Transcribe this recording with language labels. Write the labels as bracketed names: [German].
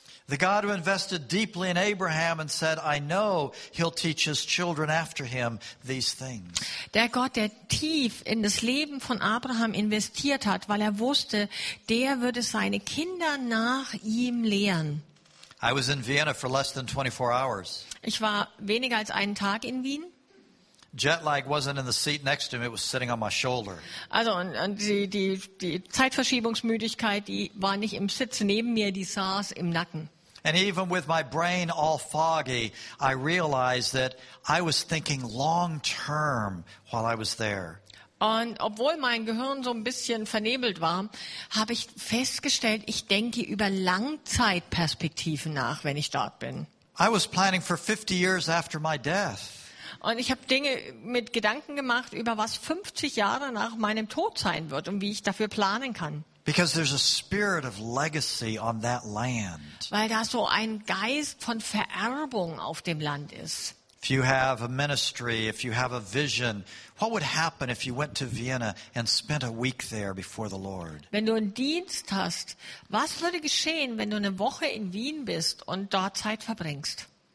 [English] The God who invested deeply in Abraham and said, I know he'll teach his children after him these things. [German] Der Gott, der tief in das Leben von Abraham investiert hat, weil er wusste, der würde seine Kinder nach ihm lehren. [English] I was in Vienna for less than 24 hours. [German] Ich war weniger als einen Tag in Wien. [English] Jetlag wasn't in the seat next to me, it was sitting on my shoulder. [German] Also die Zeitverschiebungsmüdigkeit, die war nicht im Sitz neben mir, die saß im Nacken. [English] And even with my brain all foggy, I realized that I was thinking long term while I was there. [German] Und obwohl mein Gehirn so ein bisschen vernebelt war, habe ich festgestellt, ich denke über Langzeitperspektiven nach, wenn ich dort bin. [English] I was planning for 50 years after my death. [German] Und ich habe Dinge mit Gedanken gemacht, über was 50 Jahre nach meinem Tod sein wird und wie ich dafür planen kann. [English] Because there's a spirit of legacy on that land. [German] Weil da so ein Geist von Vererbung auf dem Land ist. [English] If you have a ministry, if you have a vision, what would happen if you went to Vienna and spent a week there before the Lord? [German] Wenn du einen Dienst hast, was würde geschehen, wenn du eine Woche in Wien bist und dort Zeit verbringst?